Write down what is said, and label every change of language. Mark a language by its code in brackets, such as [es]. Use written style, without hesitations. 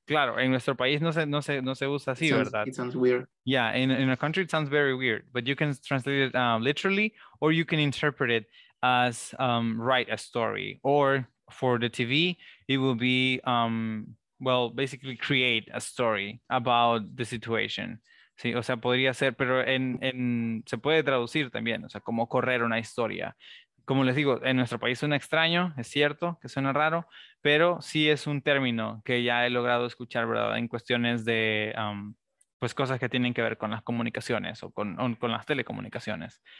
[es] Claro, en nuestro país no se usa así, ¿verdad? [en] It sounds weird. Yeah, in a country it sounds very weird, but you can translate it literally, or you can interpret it as write a story, or for the TV, it will be, basically create a story about the situation. [es] Sí, o sea, podría ser, pero en se puede traducir también, o sea, como correr una historia. Como les digo, en nuestro país suena extraño, es cierto que suena raro, pero sí es un término que ya he logrado escuchar, ¿verdad? En cuestiones de, pues, cosas que tienen que ver con las comunicaciones o con las telecomunicaciones.